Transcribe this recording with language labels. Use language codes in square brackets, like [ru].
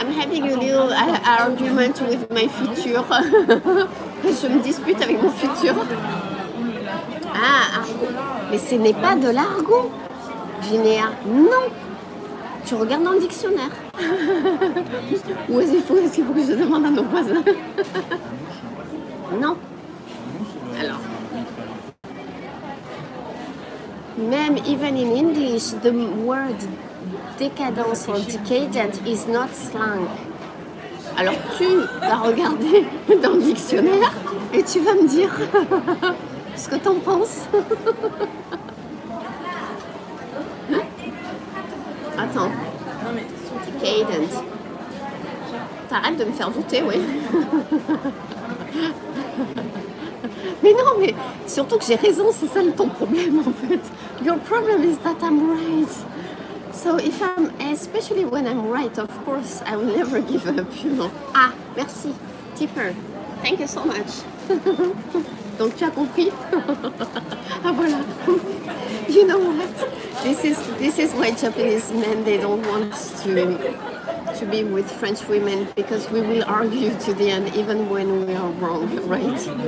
[en] I'm having a little argument with my future. [fr] Je me dispute avec mon futur. Ah, mais ce n'est pas de l'argot, Ginéa. Non. Tu regardes dans le dictionnaire. Ou est-ce qu'il faut que je demande à nos voisins? Non. Alors. Même [en] even in English, the word décadence or decadent is not slang. [fr] Alors tu vas regarder dans le dictionnaire et tu vas me dire ce que t'en penses. Attends. Decadent. T'arrêtes de me faire douter, oui. Mais non, mais surtout que j'ai raison, c'est ça ton problème en fait. [en] Your problem is that I'm right. So if I'm, especially when I'm right, of course, I will never give up, you know. [fr] Ah, merci. Tipper. [en] Thank you so much. [fr] Donc tu as compris? Ah voilà. [en] You know what? This is why Japanese men, they don't want to be with French women, because we will argue to the end, even when we are wrong, right?